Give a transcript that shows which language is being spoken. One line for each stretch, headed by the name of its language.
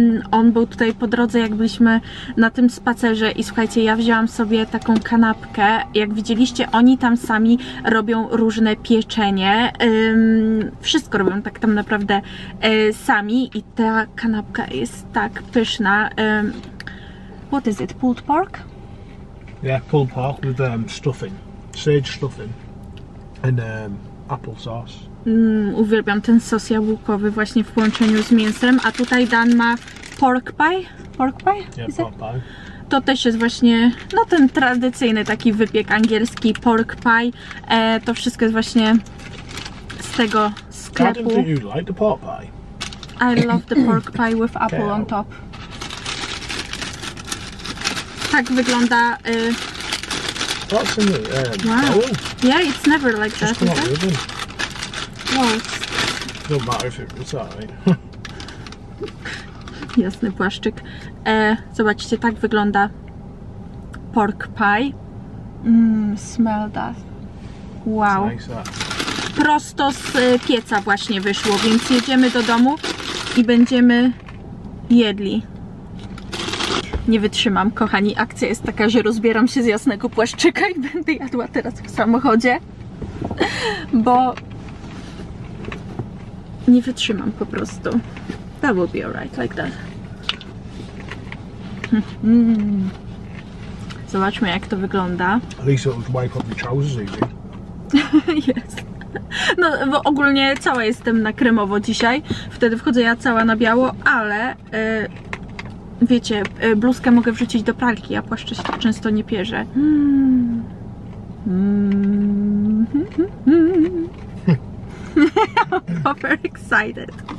Polish: On był tutaj po drodze, jak byliśmy na tym spacerze i słuchajcie, ja wzięłam sobie taką kanapkę. Jak widzieliście, oni tam sami robią różne pieczenie. Wszystko robią tak tam naprawdę sami i ta kanapka jest tak pyszna.
English: What is it? Pulled pork? Yeah, pulled pork with stuffing. Sage stuffing and apple sauce.
Polish: Uwielbiam ten sos jabłkowy właśnie w połączeniu z mięsem, a tutaj Dan ma pork pie?
English: Pork pie? Yeah, pork pie.
Polish: To też jest właśnie, no ten tradycyjny taki wypiek angielski, pork pie. To wszystko jest właśnie z tego sklepu.
English: Do you like the pork pie? I love the pork pie with apple on top.
Polish: Tak wygląda...
English: What's in the, wow. Yeah, it's never like just that, is it?
Polish: Płaszcz.
English: No matter if it's alright.
Polish: Jasny płaszczyk.
English: Zobaczcie, tak wygląda pork pie. Smell that. Wow. Nice, that.
Polish: Prosto z pieca właśnie wyszło, więc jedziemy do domu i będziemy jedli. Nie wytrzymam, kochani, akcja jest taka, że rozbieram się z jasnego płaszczyka i będę jadła teraz w samochodzie, bo nie wytrzymam po prostu.
English: That will be alright, like that.
Polish: Zobaczmy, jak to wygląda.
English: At least it'll wipe up the trousers, I think. Yes.
Polish: No, bo ogólnie cała jestem na kremowo dzisiaj. Wtedy wchodzę ja cała na biało, ale wiecie, bluzkę mogę wrzucić do pralki, a płaszcze się często nie pierze.
English: I'm super excited.